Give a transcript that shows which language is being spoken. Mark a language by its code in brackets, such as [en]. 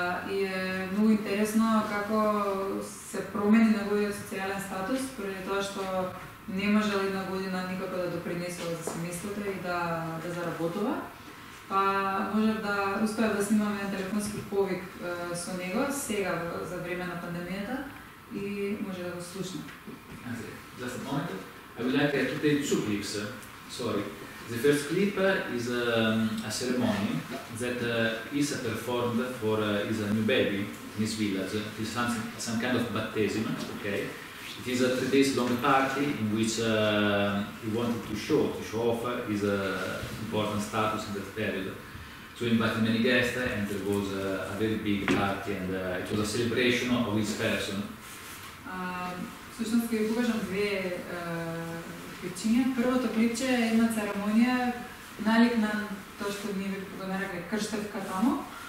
[mk] И е многу интересно како се промени неговиот социјален статус, поради тоа што не можел една година никако да допринесува за семејството и да заработува. Па можев да успеав да снимаме телефонски повик со него сега за време на пандемијата и може да го слушне. [en] Just a moment. I would like to take two clips. Sorry. The first clip is a ceremony that is performed for his new baby in his village. It is some kind of baptism, okay? It is a 3 days long party in which he wanted to show off his important status in that period. So he invited many guests and there was a very big party and it was a celebration of his person. [mk] Всушност ќе ви покажам две причини. Првото клипче е една церемонија налик на тоа што ние ви го нарекле крштевка таму.